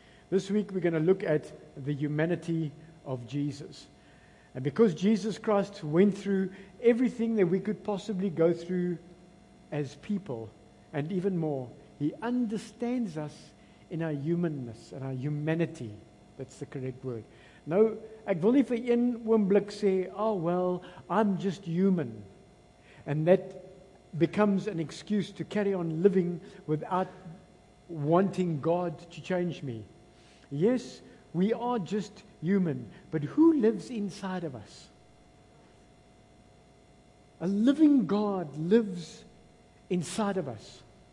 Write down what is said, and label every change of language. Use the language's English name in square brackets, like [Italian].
[English] This week we're going to look at the humanity of Jesus. And because Jesus Christ went through everything that we could possibly go through as people, and even more, he understands us in our humanness and our humanity. That's the correct word. [Afrikaans] Nou, ek wil nie vir een oomblik sê, [English] oh well, I'm just human. And that becomes an excuse to carry on living without wanting God to change me. Yes, we are just human, but who lives inside of us? A living God lives inside of us.